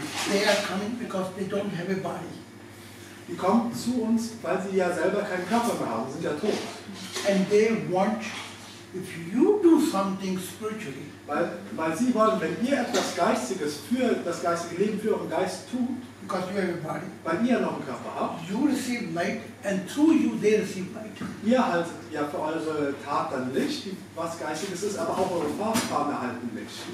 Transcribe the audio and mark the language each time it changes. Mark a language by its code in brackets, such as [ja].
[en] They are coming because they don't have a body. [de] Die kommen zu uns, weil sie ja selber keinen Körper mehr haben. Sie sind ja tot. [en] And they want. If you do something spiritually, [de] weil sie wollen, wenn ihr etwas Geistiges für das geistige Leben für euren Geist tut, [en] because you have a body, [de] weil ihr noch einen Körper habt, [en] you receive light and through you they receive light. [de] Ihr erhaltet ja für eure Tat dann Licht, was Geistiges ist, aber auch eure Vorfahren erhalten Licht.